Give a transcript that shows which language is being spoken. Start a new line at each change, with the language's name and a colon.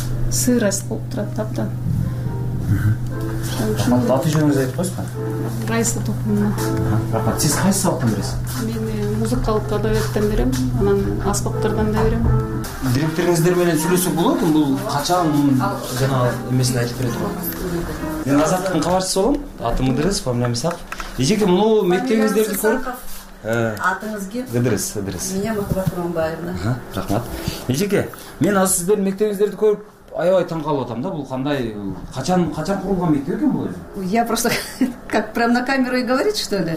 Kyrgyz: Сырость болуп турат абдан. Аты жөнүңүз айтып коесузбу? Райса Токумова. Рахмат. Сиз кайсы сабактан бересиз? Мен музыкалык адабияттан берем, анан аспаптардан да берем. Директориңиздер менен сүйлөшсөк болобу? Бул качан жанагы эмесин айтып бере турган. Мен Азаттыктын кабарчысы болом. Атым Кыдырыс, фамилиям Исаков. Эжеке муну мектебиңиздерди көрүп. Атыңыз ким? Кыдырыс, Кыдырыс.
Russian: Меня Махабат Курманбаевна.
Kyrgyz: Рахмат. Эжеке, мен азыр сиздердин мектебиңиздерди көрүп аябай таң калып атам да, бул кандай, качан курулган мектеп экен бул өзү?
Russian: Я просто как прям на камеру и говорит, что ли?